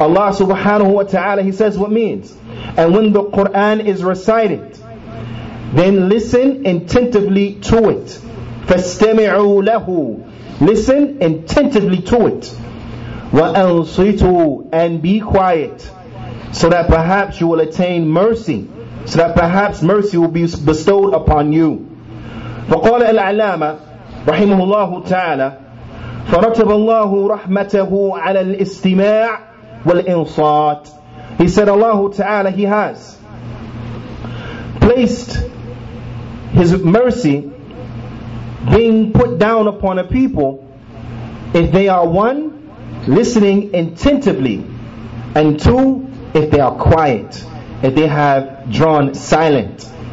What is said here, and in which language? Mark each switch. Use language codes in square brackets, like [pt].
[en] Allah subhanahu wa ta'ala, he says what means, and when the Quran is recited, then listen attentively to it. [ar] فَاسْتَمِعُوا لَهُ, [en] listen attentively to it. [ar] وَأَنْصِتُوا, [en] and be quiet, so that perhaps you will attain mercy, so that perhaps mercy will be bestowed upon you. [ar] فقال العلامة رحمه الله تعالى فرتب الله رحمته على الاستماع والإنصات. [en] He said الله تعالى, he has placed his mercy being put down upon a people if they are one, listening attentively, and two, if they are quiet, if they have drawn silent.